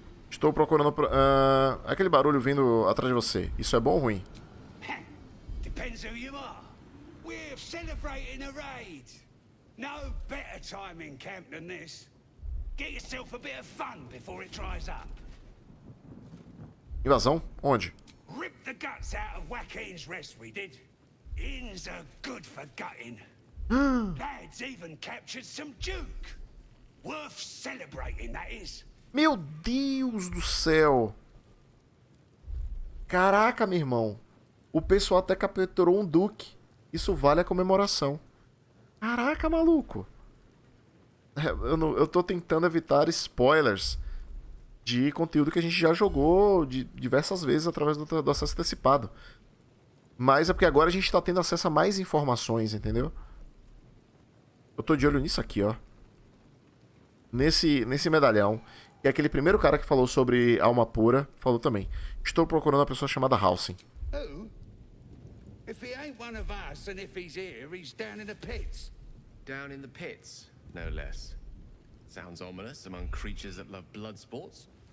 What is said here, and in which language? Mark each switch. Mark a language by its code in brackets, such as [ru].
[pt] Estou procurando... aquele barulho vindo atrás de você. Isso é bom ou ruim? Depende de quem você é. [en] We're celebrating a raid. No better time in camp than this. Get yourself a bit of fun before it dries up. [pt] Invasão? Onde? [en] Rip the guts out of Joaquin's rest, we did. Inns are good for gutting. Lads even captured some Duke. Worth celebrating, that is. [pt] Meu Deus do céu! Caraca, meu irmão! O pessoal até capturou um Duke. Isso vale a comemoração. Caraca, maluco. Eu tô tentando evitar spoilers de conteúdo que a gente já jogou de diversas vezes através do acesso antecipado. Mas é porque agora a gente tá tendo acesso a mais informações, entendeu? Eu tô de olho nisso aqui, ó. Nesse medalhão. E aquele primeiro cara que falou sobre alma pura falou também. Estou procurando a pessoa chamada Halsin. [en] If he ain't one of us, and if he's here, he's down in the pits. Down in the pits, no less. Sounds ominous among creatures that love blood sports.